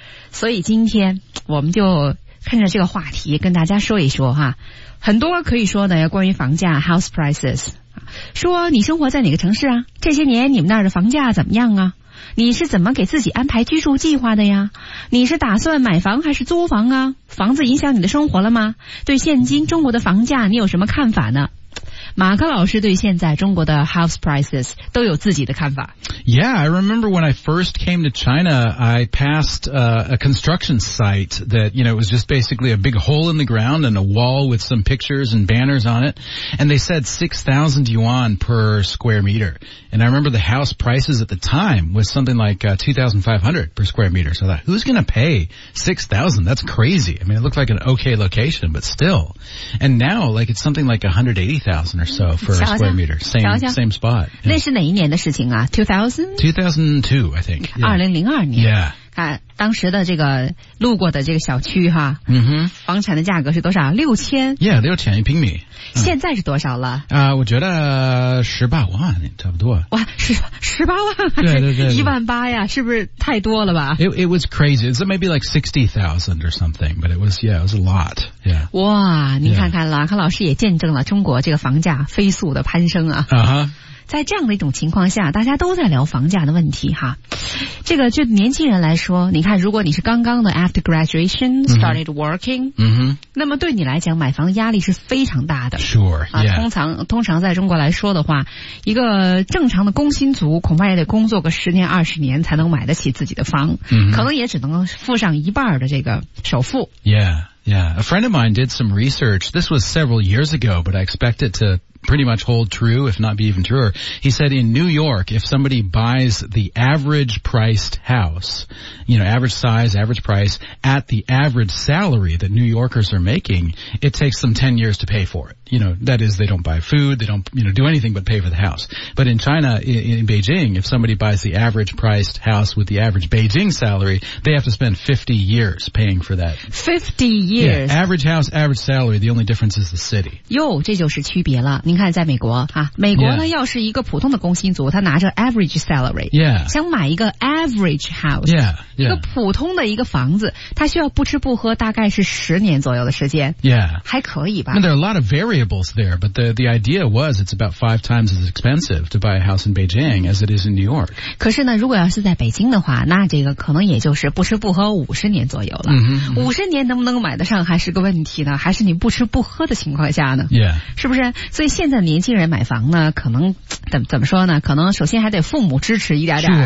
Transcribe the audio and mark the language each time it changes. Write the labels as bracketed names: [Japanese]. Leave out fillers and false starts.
[Chinese] 所以今天我们就看着这个话题跟大家说一说哈、很多可以说的关于房价 [English] house prices， [Chinese] 说你生活在哪个城市啊，这些年你们那儿的房价怎么样啊，你是怎么给自己安排居住计划的呀，你是打算买房还是租房啊，房子影响你的生活了吗，对现今中国的房价你有什么看法呢？马克老师对现在中国的 [English] house prices [Chinese] 都有自己的看法。 [English] Yeah, I remember when I first came to China, I passed a construction site that, you know, it was just basically a big hole in the ground and a wall with some pictures and banners on it. And they said 6,000 yuan per square meter. And I remember the house prices at the time was something like 2,500 per square meter. So I thought, who's going to pay 6,000? That's crazy. I mean, it looked like an okay location, but still. And now, like, it's something like 180,000 or so for a square meter. Same spot. [Chinese] 那是哪一年的事情啊？2002, [English] I think. [Chinese] 2002年。 [English] Yeah. [Chinese] 看当时的这个路过的这个小区哈。嗯哼。房产的价格是多少？六千。 Yeah, 六千一平米。现在是多少了？啊、我觉得18万差不多。哇，18万还是对 18,000呀，是不是太多了吧？ [English] It was crazy. It's maybe like 60,000 or something, but it was a lot. Yeah. [Chinese] 哇，你看看了，康老师也见证了中国这个房价飞速的攀升啊。啊、哈。在这样的一种情况下，大家都在聊房价的问题哈。这个就年轻人来说，你看，如果你是刚刚的 [English] after graduation started working， [Chinese] 那么对你来讲，买房压力是非常大的。 [English] Sure. [Chinese] 通常在中国来说的话，一个正常的工薪族恐怕也得工作个10年20年才能买得起自己的房，可能也只能付上一半的这个首付。 [English] Yeah. A friend of mine did some research. This was several years ago, but I expect it to. Pretty much hold true, if not be even truer. He said in New York, if somebody buys the average priced house, you know, average size, average price, at the average salary that New Yorkers are making, it takes them 10 years to pay for it. You know, that is, they don't buy food, they don't, you know, do anything but pay for the house. But in China, in Beijing, if somebody buys the average priced house with the average Beijing salary, they have to spend 50 years paying for that. 50 years? Yeah, average house, average salary, the only difference is the city. [Chinese] 哟，这就是区别了。你您看在美国啊，美国呢、yeah. 要是一个普通的工薪族，他拿着 [English] average salary、 yeah. [Chinese] 想买一个 [English] average house yeah. Yeah. [Chinese] 一个普通的一个房子，他需要不吃不喝大概是十年左右的时间、 [English] yeah. [Chinese] 还可以吧。 [English] I mean, there are a lot of variables there, but the idea was it's about five times as expensive to buy a house in Beijing as it is in New York. [Chinese] 可是呢，如果要是在北京的话，那这个可能也就是不吃不喝五十年左右了。五十年能不能买得上还是个问题呢，还是你不吃不喝的情况下呢、 [English] yeah. [Chinese] 是不是。所以现在年轻人买房呢，可能怎么说呢，可能首先还得父母支持一点点